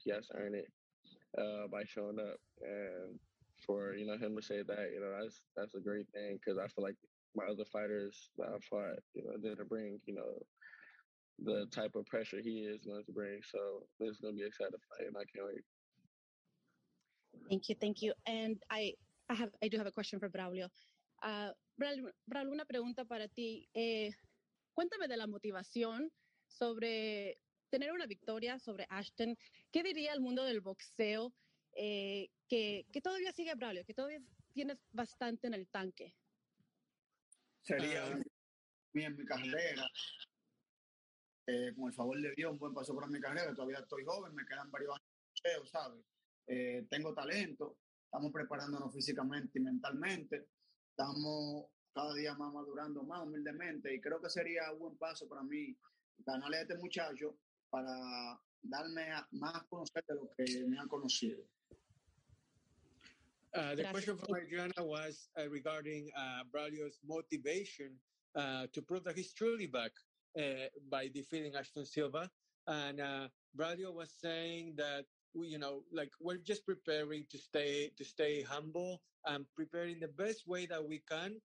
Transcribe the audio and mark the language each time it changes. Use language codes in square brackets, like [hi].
[en] He has to earn it by showing up. And for, you know, him to say that, you know, that's a great thing, because I feel like my other fighters that I fought, you know, didn't bring, you know, the type of pressure he is going to bring. So this is going to be an exciting fight, and I can't wait. Thank you. And I do have a question for Braulio. [es] Braulio, una pregunta para ti. Cuéntame de la motivación sobre tener una victoria sobre Ashton. ¿Qué diría el mundo del boxeo que todavía sigue Braulio, que todavía tienes bastante en el tanque? Sería bien mi carrera. Con el favor de Dios, un buen paso para mi carrera. Todavía estoy joven, me quedan varios años de boxeo, ¿sabes? Tengo talento, estamos preparándonos físicamente y mentalmente, estamos cada día más madurando más humildemente, y creo que sería un buen paso para mí ganarle a este muchacho para darme más conocer de lo que me han conocido. [en] The question from Adriana was regarding Braulio's motivation to prove that he's truly back by defeating Ashton Silva, and Braulio was saying that we're just preparing to stay humble and preparing the best way that we can